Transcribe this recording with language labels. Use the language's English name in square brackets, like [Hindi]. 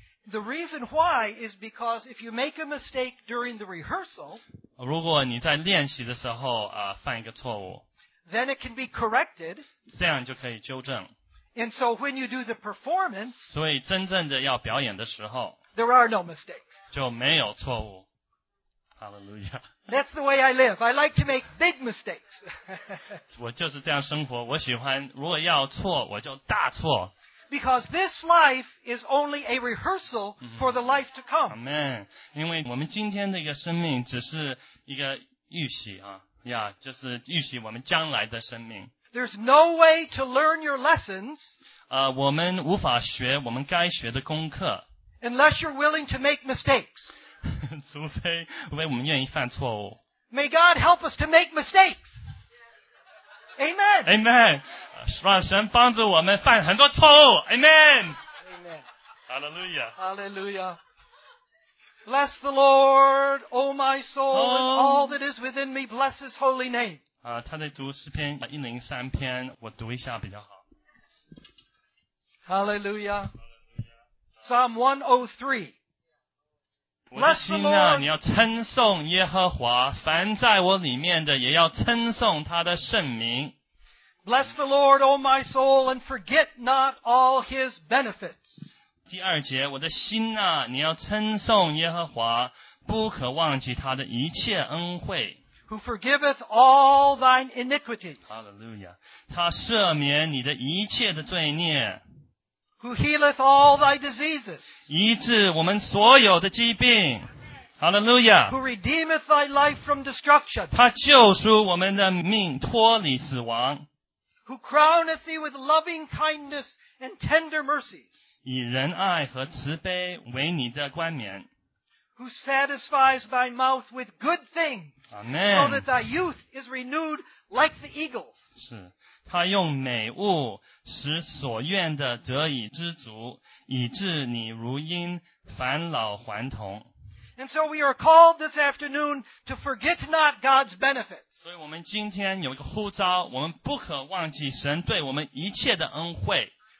[English] The reason why is because if you make a mistake during the rehearsal, [Chinese] 如果你在练习的时候犯一个错误 [English] ，then it can be corrected. [Chinese] 这样就可以纠正。 [English] And so when you do the performance, [Chinese] 所以真正的要表演的时候 [English] ，there are no mistakes. [Chinese] 就没有错误。Hallelujah. [English] That's the way I live. I like to make big mistakes. [Chinese] 我就是这样生活。我喜欢如果要错，我就大错。 [English] Because this life is only a rehearsal for the life to come. Amen. [Chinese] 因为我们今天的一个生命只是一个预习啊，呀，就是预习我们将来的生命。 [English] There's no way to learn your lessons. [Chinese] 我们无法学我们该学的功课。 [English] Unless you're willing to make mistakes. [Chinese] 除非我们愿意犯错误。 [English] May God help us to make mistakes. Amen. [Chinese] Amen. 让神帮助我们犯很多错误 Amen [English] Hallelujah Hallelujah Bless the Lord O my soul And all that is within me Bless his holy name [Chinese] 他在读诗篇103篇我读一下比较好 [English] Hallelujah Psalm 103 [Chinese] 我的心啊你要称颂耶和华凡在我里面的也要称颂他的圣名 [English] Bless the Lord, O my soul, and forget not all his benefits. [Chinese] 第二节，我的心啊，你要称颂耶和华，不可忘记他的一切恩惠。 [English] Who forgiveth all thine iniquities. Hallelujah. [Chinese] 他赦免你的一切的罪孽。 [English] Who healeth all thy diseases. [Chinese] 医治我们所有的疾病。Hallelujah. [English] Who redeemeth thy life from destruction. [Chinese] 他救赎我们的命，脱离死亡。 [English] Who crowneth thee with loving kindness and tender mercies. [Chinese] 以仁爱和慈悲为你的冠冕。 [English] Who satisfies thy mouth with good things. Amen. So that thy youth is renewed like the eagles. [Chinese] 是，他用美物使所愿的得以知足，以致你如鹰返老还童。 [English] And so we are called this afternoon to forget not God's benefits. [Chinese] 所以我们今天有一个呼召，我们不可忘记神对我们一切的恩惠。